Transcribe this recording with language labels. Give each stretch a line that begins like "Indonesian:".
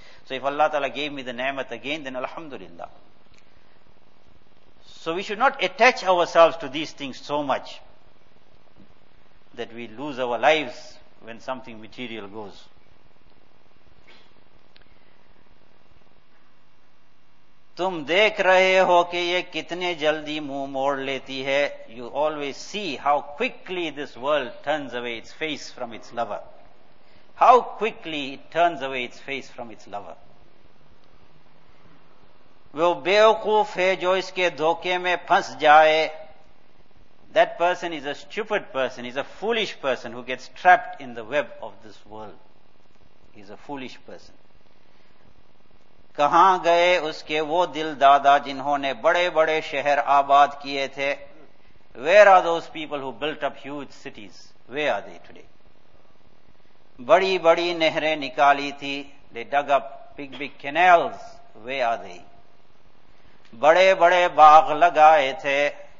English: So if Allah Ta'ala gave me the ni'mat again, then Alhamdulillah. So we should not attach ourselves to these things so much that we lose our lives when something material goes.
Urdu: تم دیکھ رہے ہو کہ یہ کتنے جلدی منہ موڑ لیتی ہے.
English: You always see how quickly this world turns away its face from its lover. How quickly it turns away its face from its lover.
Urdu: وہ بیوقوف ہے جو اس کے دھوکے میں پھنس جائے.
English: That person is a stupid person, is a foolish person who gets trapped in the web of this world. He's a foolish person.
Urdu: کہاں گئے اس کے وہ دل دادا جنہوں نے بڑے بڑے شہر آباد کیے تھے.
English: Where are those people who built up huge cities? Where are they today?
Urdu: بڑی بڑی نہریں نکالی تھی.
English: They dug up big, big canals. Where are they?
Urdu: بڑے بڑے باغ لگائے تھے.